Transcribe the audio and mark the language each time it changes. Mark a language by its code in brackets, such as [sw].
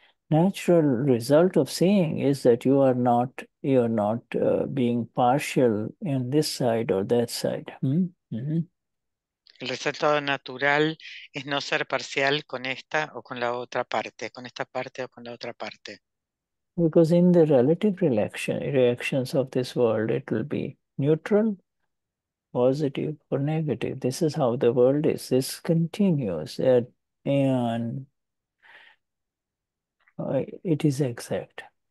[en] Natural result of seeing is that you are not being partial in this side or that side. [es] El resultado natural es no ser parcial con esta o con la otra parte, con esta parte o con la otra parte. [en] Because in the relative reactions of this world, it will be neutral, positive or negative. This is how the world is. This continues and it is exact.